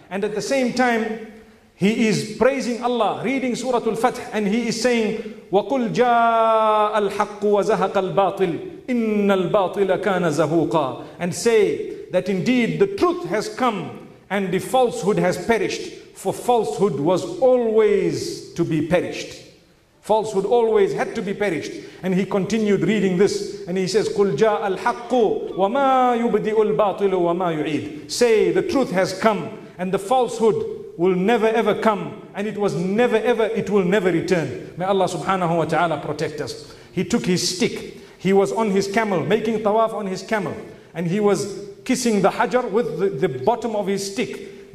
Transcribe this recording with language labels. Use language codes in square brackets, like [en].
[en] And at the same time, he is praising Allah, reading Surah Al-Fath, and he is saying, [ar] وَقُلْ جَاءَ الْحَقُّ وَزَهَقَ الْبَاطِلِ إِنَّ الْبَاطِلَ كَانَ زَهُوقًا. [en] And say that indeed the truth has come and the falsehood has perished, for falsehood was always to be perished. Falsehood always had to be perished. And he continued reading this. And he says, [ar] قُلْ جَاءَ الْحَقُّ وَمَا يُبْدِئُ الْبَاطِلُ وَمَا يُعِيدُ. [en] Say, the truth has come and the falsehood will never ever come. And it was never ever, it will never return. May Allah subhanahu wa ta'ala protect us. He took his stick. He was on his camel, making tawaf on his camel. And he was kissing the hajar with the bottom of his stick.